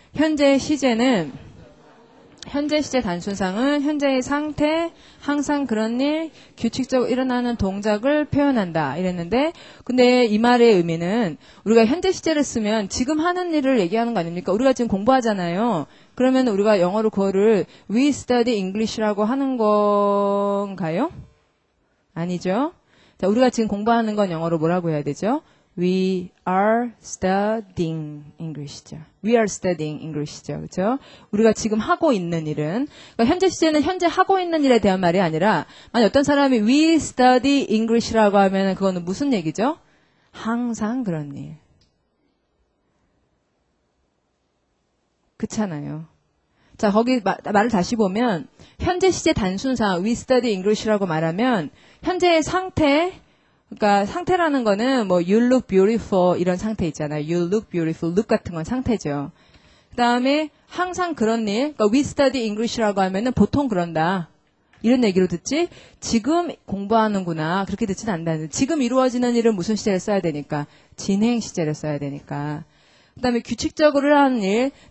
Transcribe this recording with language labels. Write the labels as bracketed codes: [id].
[ko] 현재 시제는 현재 시제 단순상은 현재의 상태, 항상 그런 일, 규칙적으로 일어나는 동작을 표현한다 이랬는데 근데 이 말의 의미는 우리가 현재 시제를 쓰면 지금 하는 일을 얘기하는 거 아닙니까? 우리가 지금 공부하잖아요. 그러면 우리가 영어로 그거를 [en] We study English [ko] 라고 하는 건가요? 아니죠. 자, 우리가 지금 공부하는 건 영어로 뭐라고 해야 되죠? [en] We are studying English죠. We are studying English죠. [ko] 그렇죠? 우리가 지금 하고 있는 일은 그러니까 현재 시제는 현재 하고 있는 일에 대한 말이 아니라 만약 어떤 사람이 [en] We study English [ko] 라고 하면 그거는 무슨 얘기죠? 항상 그런 일. 그렇잖아요. 자, 거기 말을 다시 보면 현재 시제 단순사 [en] we study English [ko] 라고 말하면 현재의 상태, 그러니까 상태라는 거는 뭐 [en] you look beautiful [ko] 이런 상태 있잖아요. [en] you look beautiful, [ko] look 같은 건 상태죠. 그다음에 항상 그런 일, 그러니까 [en] we study English [ko] 라고 하면은 보통 그런다. 이런 얘기로 듣지? 지금 공부하는구나. 그렇게 듣진 않는다. 지금 이루어지는 일은 무슨 시제를 써야 되니까? 진행 시제를 써야 되니까. 그다음에 규칙적으로 하는 일.